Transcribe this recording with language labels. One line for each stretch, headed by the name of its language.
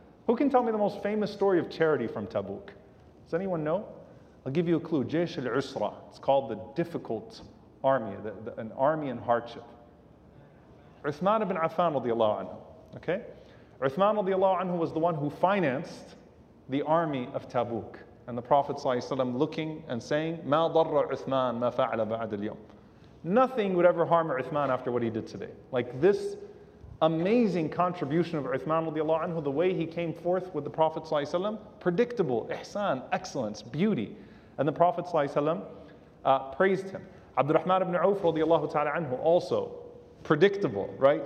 English: Who can tell me the most famous story of charity from Tabuk? Does anyone know? I'll give you a clue. Jaysh al-Usra, it's called the difficult army, an army in hardship. Uthman ibn Affan radiallahu anhu, okay? Uthman radiallahu anhu was the one who financed the army of Tabuk. And the Prophet ﷺ looking and saying,
Arabic: ما ضر عثمان ما فعل بعد اليوم.
English: Nothing would ever harm Uthman after what he did today. Like this amazing contribution of Uthman radiallahu anhu, the way he came forth with the Prophet ﷺ, predictable, ihsan, excellence, beauty. And the Prophet ﷺ praised him. Abdurrahman ibn Auf radiallahu ta'ala anhu, also predictable, right?